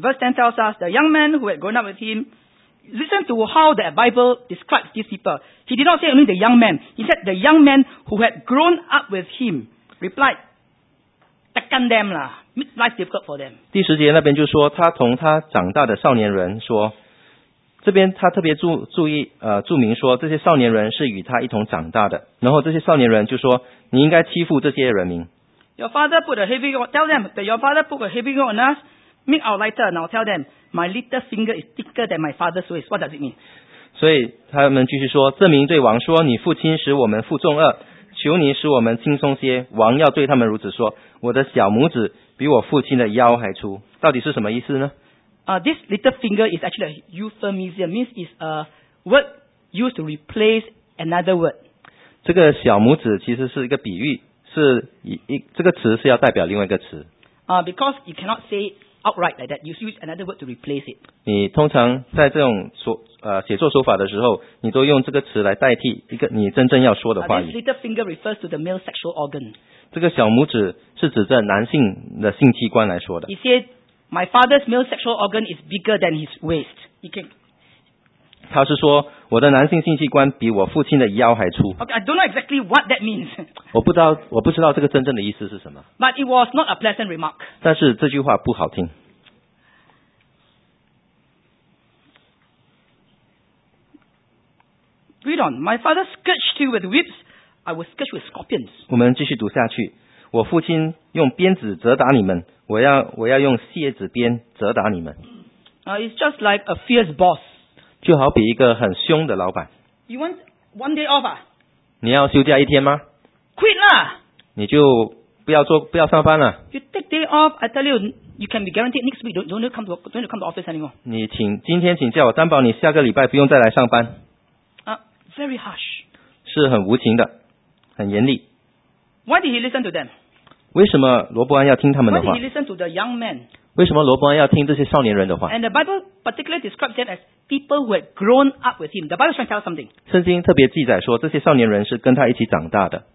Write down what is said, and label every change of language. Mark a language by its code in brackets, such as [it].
[en] Verse 10 tells us the young man who had grown up with him. Listen to how the Bible describes these people. He did not say only the young man. He said the young man who had grown up with him replied, "Tekan them lah, make life difficult for them." [zh] 第十节那边就说他同他长大的少年人说。这边他特别注明说这些少年人是与他一同长大的然后这些少年人就说你应该欺负这些人民 [en] Your father put a heavy yoke Tell them that your father put a heavy yoke on us Make our lighter Now tell them My little finger is thicker than my father's waist What does it mean? [zh] 所以他们继续说这名对王说你父亲使我们负重轭求你使我们轻松些王要对他们如此说我的小拇指比我父亲的腰还粗到底是什么意思呢 [en] This little finger is actually a euphemism. Means it's a word used to replace another word. [zh] 这个小拇指其实是一个比喻，是这个词是要代表另外一个词。 [en] Because you cannot say outright like that, you use another word to replace it. [zh] 你通常在这种写作手法的时候，你都用这个词来代替一个你真正要说的话语。 [en] This little finger refers to the male sexual organ. [zh] 这个小拇指是指着男性的性器官来说的。 [en] My father's male sexual organ is bigger than his waist. He can [zh] 他是说我的男性性器官比我父亲的腰还粗。 [en] Okay, I don't know exactly what that means. [zh] 我不知道这个真正的意思是什么。 [en] But it was not a pleasant remark. [zh] 但是这句话不好听。 [en] Read on. My father scourged you with whips. I was scourged with scorpions. [zh] 我们继续读下去。我父亲用鞭子责打你们，我要用蝎子鞭责打你们。 [en] It's just like a fierce boss. [zh] 就好比一个很凶的老板。 [en] You want one day off? [zh] 你要休假一天吗 [en] ？Quit 啦！ [zh] 你就不要上班了。 [en] You take day off, I tell you, you can be guaranteed next week don't come to office anymore. [zh] 你请今天请假，我担保你下个礼拜不用再来上班。 [en] Very harsh. [zh] 是很无情的，很严厉。 [en] Why did he listen to them? [zh] 为什么罗伯安要听他们的话 [en] ？Why did he listen to the young men? [zh] 为什么罗伯安要听这些少年人的话 [en] ？And the Bible particularly describes them as people who had grown up with him. The Bible is trying to tell something. [zh] 圣经特别记载说，这些少年人是跟他一起长大的。